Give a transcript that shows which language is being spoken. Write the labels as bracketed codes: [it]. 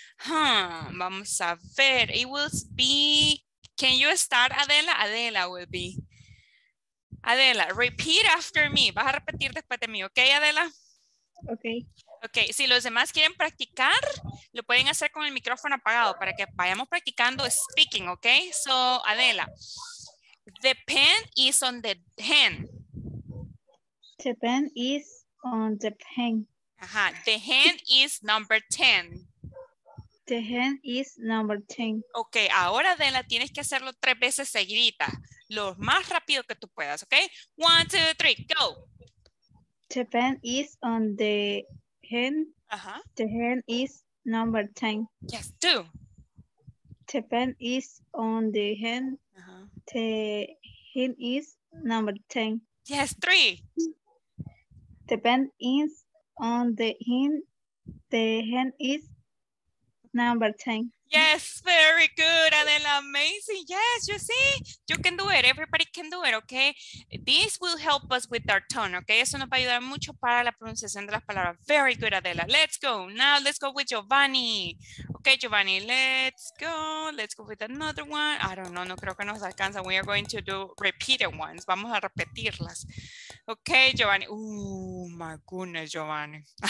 [es] vamos a ver. [en] It will be... Can you start, Adela? Adela will be... Adela, repeat after me. [es] Vas a repetir después de mí. Okay, Adela? [en] Okay. [es] Ok, si los demás quieren practicar, lo pueden hacer con el micrófono apagado para que vayamos practicando speaking, ok? [en] So, Adela, the pen is on the hand. The pen is on the pen. Ajá. The hen is number 10. The hen is number 10. [es] Ok, ahora Adela, tienes que hacerlo tres veces seguidita. Lo más rápido que tú puedas, ok? 1, 2, 3, go. [en] The pen is on the hen. [es] Ajá. [en] The hen is number 10. Yes, two. The pen is on the hen. [es] Ajá. [en] The hen is number 10. Yes, three. The pen is on the hen. The hen is number 10. Yes, very good, Adela, amazing. Yes, you see, you can do it. Everybody can do it, okay? This will help us with our tone, okay? [es] Eso nos va a ayudar mucho para la pronunciación de las palabras. [en] Very good, Adela. Let's go. Now let's go with Giovanni. Okay, Giovanni, let's go. Let's go with another one. I don't know, [es] no creo que nos alcanza. [en] We are going to do repeated ones. [es] Vamos a repetirlas. Okay, Giovanni. [en] Oh, my goodness, [es] Giovanni.